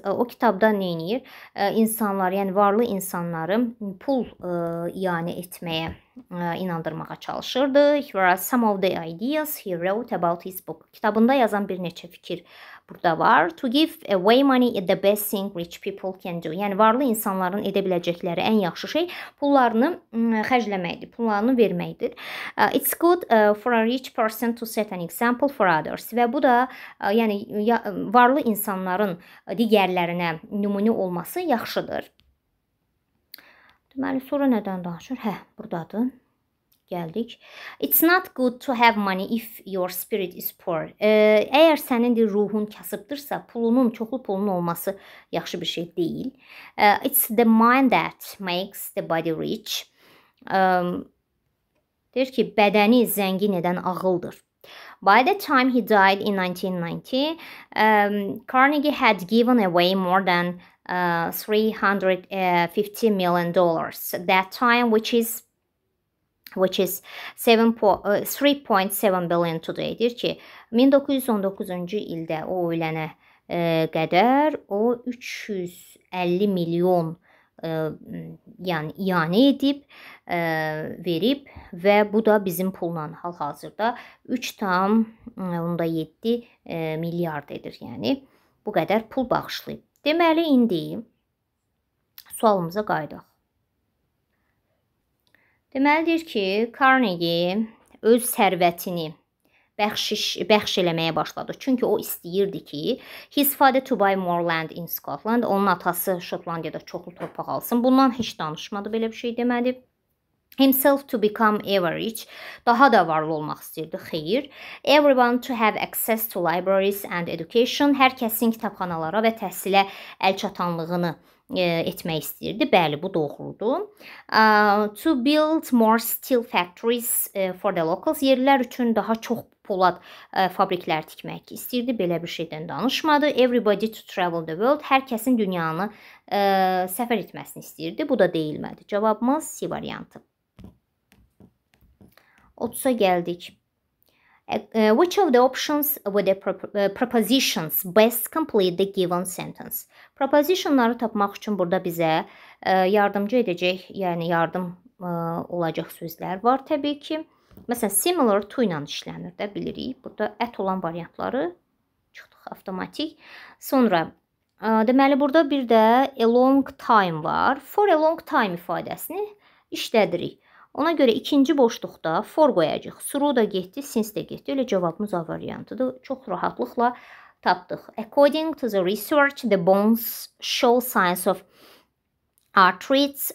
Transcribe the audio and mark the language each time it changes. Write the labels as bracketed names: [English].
[Azerbaijani] O kitabda nə edir? İnsanlar, yəni varlı insanları pul iyanə etməyə inandırmağa çalışırdı. [English] Here are some of the ideas he wrote about his book. [Azerbaijani] Kitabında yazan bir neçə fikir burada var. [English] To give away money is the best thing rich people can do. [Azerbaijani] Yəni, varlı insanların edə biləcəkləri ən yaxşı şey pullarını xərcləməkdir, pullarını verməkdir. [English] It's good for a rich person to set an example for others. [Azerbaijani] Və bu da, yəni, varlı insanların digərlərinə nümunə olması yaxşıdır. Deməli, sonra nədən danışır? Hə, buradadır. Gəldik. [English] It's not good to have money if your spirit is poor. [Azerbaijani] Əgər sənin de ruhun kasıbdırsa, pulunun, çoxlu pulun olması yaxşı bir şey deyil. [English] It's the mind that makes the body rich. [Azerbaijani] Deyir ki, bədəni zəngin edən ağıldır. [English] By the time he died in 1990, Carnegie had given away more than $350 million. That time, which is 3.7 billion today. [Azerbaijani] Deyir ki, 1919-cu ildə o ölənə qədər o 350 milyon yani edib verib və bu da bizim pulla hal-hazırda 3.7 milyard edir. Yəni bu qədər pul bağışlayıb. Deməli, indi sualımıza qayıdaq. Deməlidir ki, Carnegie öz sərvətini bəxş eləməyə başladı. Çünki o istəyirdi ki, [English] his father to buy more land in Scotland. [Azerbaijani] Onun atası Şotlandiyada çoxlu torpaq alsın. Bundan heç danışmadı, belə bir şey demədi. [English] Himself to become ever rich. [Azerbaijani] Daha da varlı olmaq istəyirdi, xeyir. [English] Everyone to have access to libraries and education. [Azerbaijani] Hər kəsin kitabxanalara və təhsilə əl çatanlığını etmək istəyirdi. Bəli, bu doğrudur. [English] To build more steel factories for the locals. [Azerbaijani] Yerlilər üçün daha çox polad fabriklər tikmək istəyirdi. Belə bir şeydən danışmadı. [English] Everybody to travel the world. [Azerbaijani] Hər kəsin dünyanı səfər etməsini istəyirdi. Bu da deyilmədi. Cavabımız C variantı. 30-a gəldik. [English] Which of the options with the propositions best complete the given sentence? [Azerbaijani] Propositionları tapmaq üçün burada bizə yardımcı edəcək, yəni yardım olacaq sözlər var təbii ki. Məsələn, similar to ilə işlənir də bilirik. Burada at olan variantları çıxdıq avtomatik. Sonra, deməli burada bir də a long time var. For a long time ifadəsini işlədirik. Ona görə ikinci boşluqda for qoyacaq. Through da getdi, since də getdi. Elə cavabımız A variantıdır. Çox rahatlıqla tapdıq. [English] According to the research, the bones show signs of arthritis.